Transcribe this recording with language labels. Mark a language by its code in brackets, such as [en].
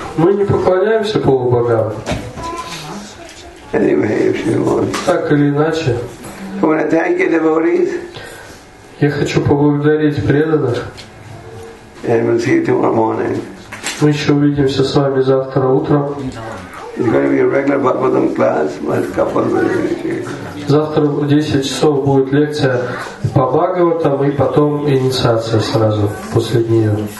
[ru] Мы не поклоняемся полубогам. [en] Anyway, if you want. [ru] Так или иначе. [en] You want to thank the devotees? [ru] Я хочу поблагодарить преданных. [en] And we'll see you tomorrow morning. [ru] Мы еще увидимся с вами завтра утром. [en] It's going to be a regular Bhagavatam class, but a couple of minutes. [ru] Завтра в 10 часов будет лекция по Бхагаватам и потом инициация сразу после нее.